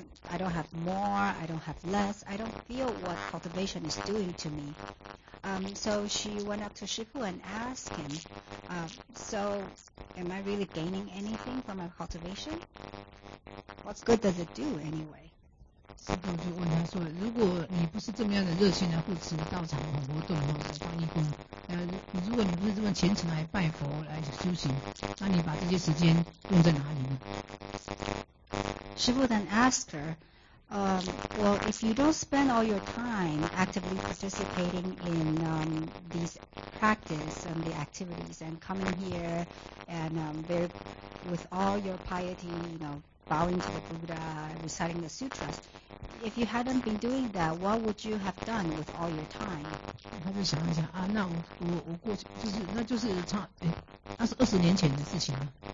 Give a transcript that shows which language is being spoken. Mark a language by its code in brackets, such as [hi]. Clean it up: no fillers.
[en] I don't have more, I don't have less. I don't feel what cultivation is doing to me. So she went up to Shifu and asked him, so am I really gaining anything from my cultivation? What good does it do anyway? [zh] 师父就问他说，如果你不是这么样的热心来护持道场的活动或者当义工，如果你不是这么虔诚来拜佛来修行，那你把这些时间用在哪里呢？ [en] 师父 then asked her, well, if you don't spend all your time actively participating in these practice and the activities and coming here and with all your piety, bowing to the Buddha, reciting the sutras. If you hadn't been doing that, what would you have done with all your time? [zh] 他就想一想啊，那我过去就是那就是差哎，那是20年前的事情了。